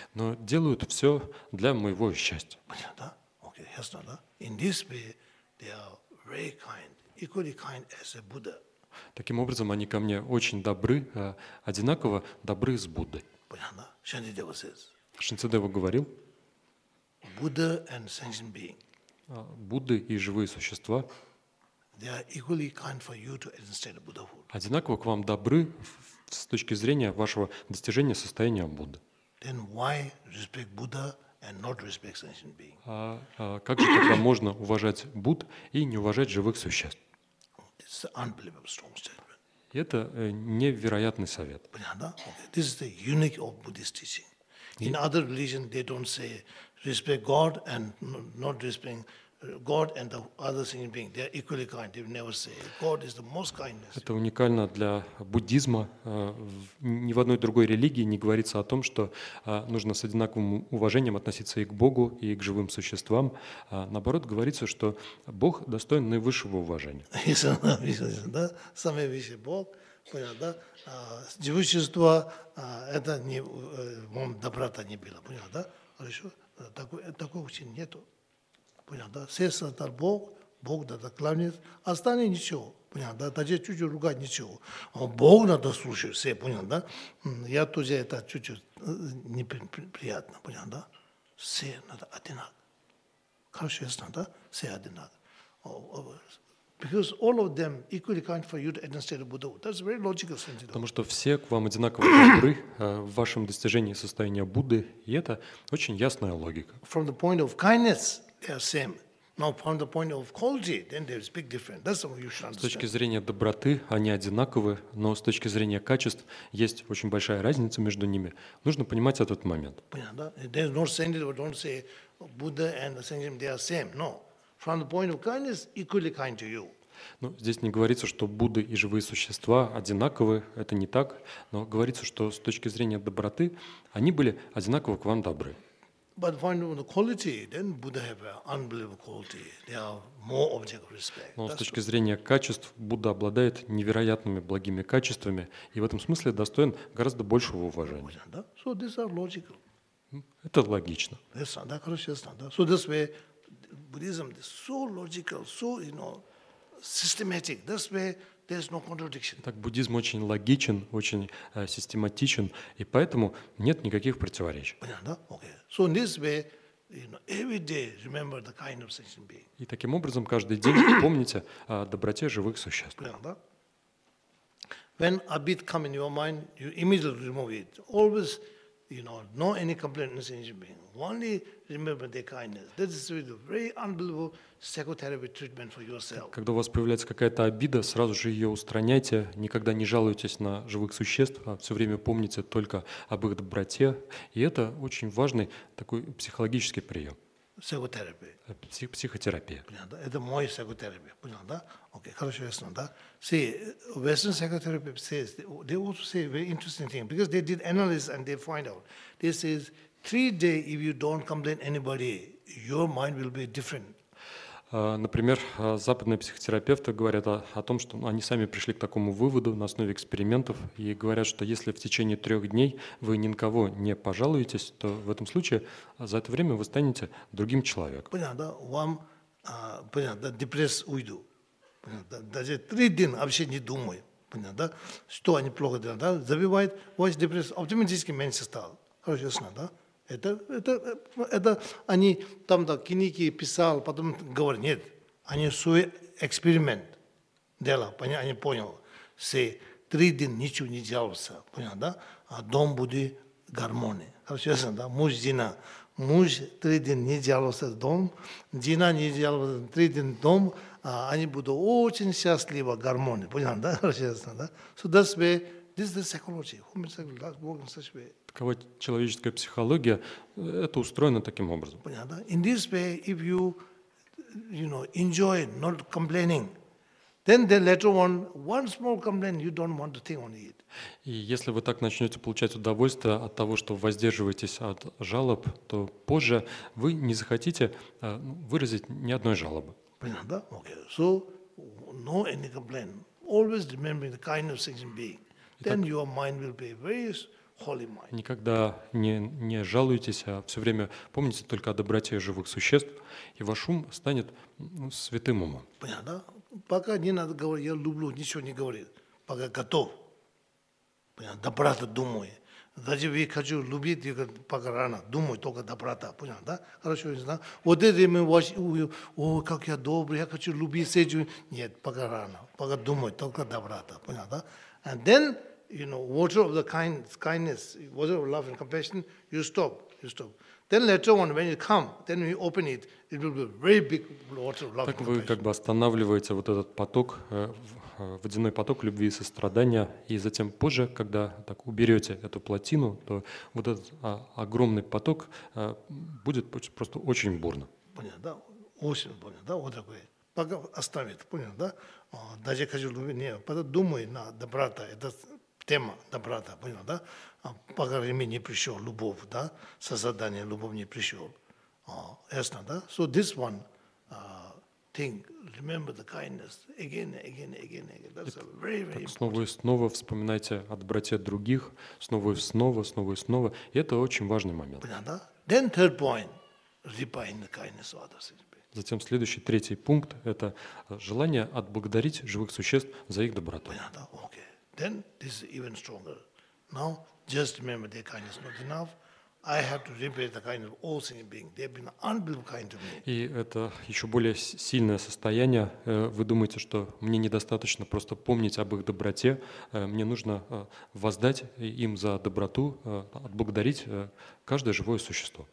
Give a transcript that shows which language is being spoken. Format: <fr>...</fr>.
<ru>Но делают все для моего счастья.</ru> <en>Да? Okay, yes, no, да? In this way, they are very kind, equally kind as a Buddha.</en> <ru>Таким образом, они ко мне очень добры, одинаково добры с Буддой. Да?</ru> <en>Шантидева says.</en> <ru>Шантидева говорил.</ru> <en>Buddha and sentient being.</en> <ru>Будды и живые существа.</ru> <en>They are equally kind for you to understand Buddhahood.</en> <ru>Одинаково к вам добры с точки зрения вашего достижения состояния Будды.</ru> <en>Then why respect Buddha and not respect sentient being?</en> <ru>Как же тогда можно уважать Будд и не уважать живых существ?</ru> <en>It's an unbelievable strong statement.</en> <ru>Это невероятный совет. Понятно?</ru> <en>Okay. This is the unique of Buddhist teaching. In other religions they don't say respect God and not respect God and the other sentient being, they are equally kind. They never say God is the most kindness.</en> <ru>Это уникально для буддизма. Ни в одной другой религии не говорится о том, что нужно с одинаковым уважением относиться и к Богу, и к живым существам. Наоборот, говорится, что Бог достоин наивысшего уважения. Да, самые вещи Бог, понял, да? Живые существа это не вам доброта не было, понял, да? Хорошо, такого очень нету. Понял, да? Все создал Бог, Бог надо кланяться, остальные ничего, понял, да? Даже чуть-чуть ругать ничего. Бог надо слушать, все, понял, да? Я тоже это чуть-чуть неприятно, понял, да? Все надо одинаково. Хорошо, ясно, да? Все одинаково.</ru> <en>Because all of them equally kind for you to understand Buddha. That's very logical sense.</en> <ru>Потому что все к вам одинаково добры в вашем достижении состояния Будды, и это очень ясная логика.</ru> <en>From the point of kindness, they are same. Now, from the point of quality, then they speak different. That's what you should understand.</en> <ru>С точки зрения доброты они одинаковы, но с точки зрения качеств есть очень большая разница между ними. Нужно понимать этот момент. Понятно?</ru> <en>There's no sense that we don't say Buddha and the sentient they are same. No, from the point of kindness, equally kind to you.</en> <ru>Ну, здесь не говорится, что Будды и живые существа одинаковы, это не так. Но говорится, что с точки зрения доброты они были одинаково к вам добры.</ru> <en>But when the quality, then Buddha have unbelievable quality. They are more object of respect.</en> <ru>Но с точки зрения качеств Будда обладает невероятными благими качествами и в этом смысле достоин гораздо большего уважения.</ru> <en>So this are logical.</en> <ru>Это логично.</ru> <en>So this way Buddhism is so logical, so you know systematic. This way there's no contradiction.</en> <ru>Так буддизм очень логичен, очень систематичен, и поэтому нет никаких противоречий. Понятно? Okay.</ru> <en>So in this way, you know, every day remember the kind of sentient being.</en> <ru>И таким образом каждый день помните о доброте живых существ. Понятно?</ru> <en>When a bit come in your mind, you immediately remove it. Always, you know, no any complaint in the sentient being. Only remember their kindness. This is a very unbelievable psychotherapy treatment for yourself.</en> <ru>Когда у вас появляется какая-то обида, сразу же ее устраняйте, никогда не жалуйтесь на живых существ, а все время помните только об их доброте. И это очень важный такой психологический прием. Психотерапия. Психотерапия. Понятно? Это мой психотерапия. Понятно, да? Окей, хорошо, ясно, да?</ru> <en>See, Western psychotherapy says, they also say very interesting thing, because they did analysis and they find out. They say, 3 days if you don't complain anybody, your mind will be different.</en> <ru>Например, западные психотерапевты говорят о том, что они сами пришли к такому выводу на основе экспериментов и говорят, что если в течение 3 дней вы ни на кого не пожалуетесь, то в этом случае за это время вы станете другим человеком. Понятно, да? Вам, понятно, да, депрессия уйду. Понятно, да? Даже 3 дня вообще не думаю. Понятно, да? Что они плохо делают, да? Забивают, ваш депрессия автоматически меньше стал. Хорошо, ясно, да? Это они там да книги писал, потом говорят, нет, они свой эксперимент делал, понял, они понял, все 3 дня ничего не делался, понял, да, а дом будет гармония. Хорошо, ясно, да, муж, жена, муж 3 дня не делался дом, жена не делала 3 дня дом, а они будут очень счастливы, гармония, понял, да, хорошо, ясно, да,</ru> <en>so that's way, this is the psychology, human psychology, work in such way.</en> <ru>Такова человеческая психология, это устроено таким образом. Понятно, да?</ru> <en>In this way, if you, you know, enjoy not complaining, then the later one, one small complaint, you don't want to think on it.</en> <ru>И если вы так начнете получать удовольствие от того, что воздерживаетесь от жалоб, то позже вы не захотите выразить ни одной жалобы. Понятно, да?</ru> <en>Okay. So, no any complaint. Always remembering the kind of sentient being. Then your mind will be very...</en> <ru>Никогда не жалуйтесь, а все время помните только о доброте живых существ, и ваш ум станет святым умом. Понятно, да? Пока не надо говорить, я люблю, ничего не говорит, пока готов. Понятно, доброта думаю. Даже я хочу любить, я говорю, пока рано, думаю только доброта. Понятно, да? Хорошо, не знаю. Вот это мы вообще, ой, как я добрый, я хочу любить, сеть. Нет, пока рано, пока думаю только доброта. Понятно, да?</ru> <en>And then, you know, water of the kindness, water of love and compassion, you stop. Then later on, when you come, then you open it, it will be very big water of love and compassion.</en> <ru>Так вы как бы останавливаете вот этот поток, водяной поток любви и сострадания, и затем позже, когда так уберете эту плотину, то вот этот огромный поток будет просто очень бурно. Понятно, да? Очень бурно, да? Вот такое. Пока оставит, понятно, да? Даже хочу любить, не, потом думай на доброта, это... Тема доброта, понял, да? Пока времени не пришел, любовь, да? Создание любовь не пришел. Ясно, да?</ru> <en>So this one thing, remember the kindness again. That's a very, very important.</en> <ru>Снова и снова вспоминайте о доброте других, снова и снова. И это очень важный момент. Понял, да?</ru> <en>Then third point, repaying the kindness of others.</en> <ru>Затем следующий, третий пункт, это желание отблагодарить живых существ за их доброту. Понял, да?</ru> <en>Okay. Then this is even stronger. Now, just remember their kindness not enough. I have to repay the kindness of all sentient beings. They have been unbelievable kind to me.</en> <ru>И это еще более сильное состояние. Вы думаете, что мне недостаточно просто помнить об их доброте. Мне нужно воздать им за доброту, отблагодарить каждое живое существо.</ru>